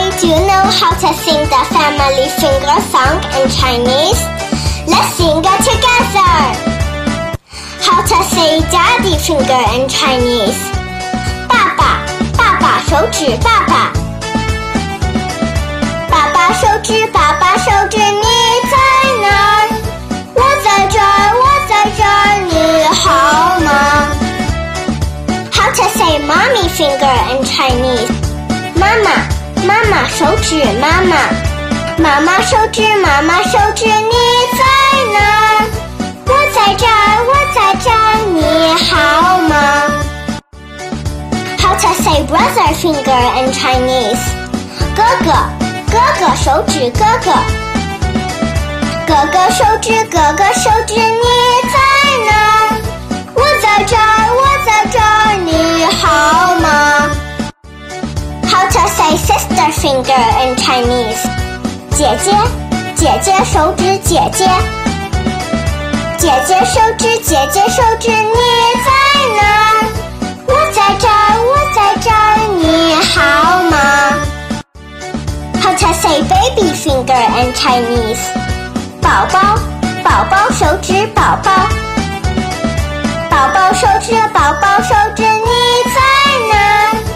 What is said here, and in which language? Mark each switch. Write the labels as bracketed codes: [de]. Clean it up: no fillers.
[en] sing the family finger song in Chinese. Let's sing it together. How to say daddy finger in Chinese? [zh] 爸爸，爸爸手指，爸爸。爸爸手指，爸爸手指，你在哪儿？我在这儿，我在这儿，你好吗？ [en] How to say mommy finger in Chinese? [zh] 妈妈。妈妈手指妈妈，妈妈手指妈妈手指，你在哪儿？我在这儿，我在这儿，你好吗？ [en] How to say brother finger in Chinese? [zh] 哥哥，哥哥手指哥哥，哥哥手指哥哥手指，你在哪儿？我在这儿，我在这儿，你好吗？ [en] How to say sister finger in Chinese? [zh] 姐姐，姐姐手指姐姐，姐姐手指姐姐手指，你在哪儿？我在这儿，我在这儿，你好吗？ [en] How to say baby finger in Chinese? [zh] 宝宝，宝宝手指宝宝，宝宝手指宝宝手指，你在哪儿？